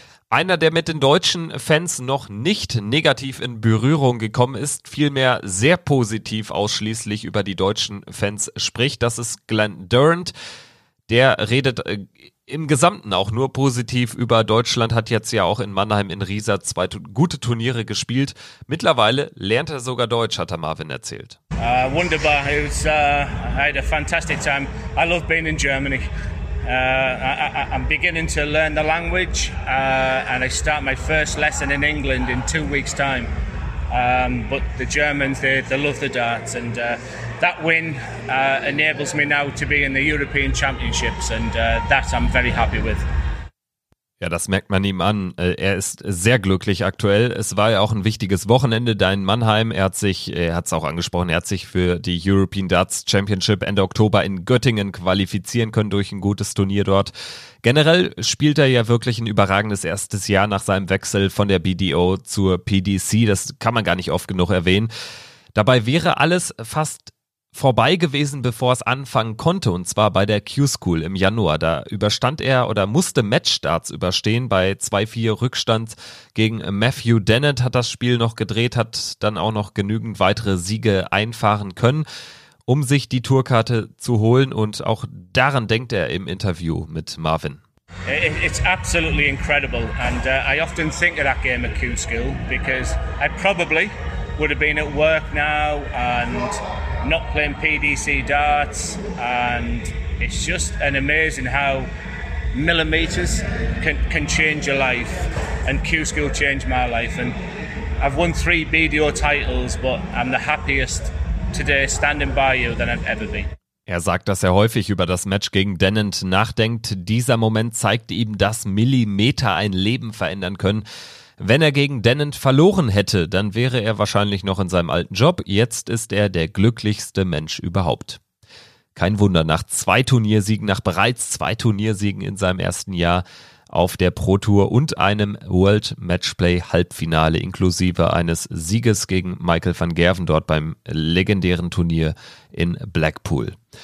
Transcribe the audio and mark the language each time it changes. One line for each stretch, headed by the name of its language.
German: Einer, der mit den deutschen Fans noch nicht negativ in Berührung gekommen ist, vielmehr sehr positiv ausschließlich über die deutschen Fans spricht, das ist Glenn Durrant. Der redet im Gesamten auch nur positiv über Deutschland, hat jetzt ja auch in Mannheim in Riesa 2 gute Turniere gespielt. Mittlerweile lernt er sogar Deutsch, hat er Marvin erzählt. Wunderbar,
English: I had a fantastic time. I love being in Germany. I'm beginning to learn the language and I start my first lesson in England in 2 weeks' time. But the Germans, they love the darts and that win enables me now to be in the European Championships and that I'm very happy with.
German: Ja, das merkt man ihm an. Er ist sehr glücklich aktuell. Es war ja auch ein wichtiges Wochenende da in Mannheim. Er hat es auch angesprochen, für die European Darts Championship Ende Oktober in Göttingen qualifizieren können durch ein gutes Turnier dort. Generell spielt er ja wirklich ein überragendes erstes Jahr nach seinem Wechsel von der BDO zur PDC. Das kann man gar nicht oft genug erwähnen. Dabei wäre alles fast vorbei gewesen, bevor es anfangen konnte, und zwar bei der Q-School im Januar. Da überstand er oder musste Matchstarts überstehen bei 2-4 Rückstand gegen Matthew Dennett, hat das Spiel noch gedreht, hat dann auch noch genügend weitere Siege einfahren können, um sich die Tourkarte zu holen, und auch daran denkt er im Interview mit Marvin.
English: It's absolutely incredible and I often think of that game at Q-School because I probably would have been at work now and not playing PDC darts, and it's just an amazing how millimeters can change your life, and Q School changed my life, and I've won 3 BDO titles, but I'm the happiest today standing by you than I've ever been.
German: Er sagt, dass er häufig über das Match gegen Dennett nachdenkt. Dieser Moment zeigt ihm, dass Millimeter ein Leben verändern können. Wenn er gegen Dennett verloren hätte, dann wäre er wahrscheinlich noch in seinem alten Job. Jetzt ist er der glücklichste Mensch überhaupt. Kein Wunder, nach 2 Turniersiegen, nach bereits 2 Turniersiegen in seinem ersten Jahr auf der Pro Tour und einem World Matchplay Halbfinale inklusive eines Sieges gegen Michael van Gerven dort beim legendären Turnier in Blackpool.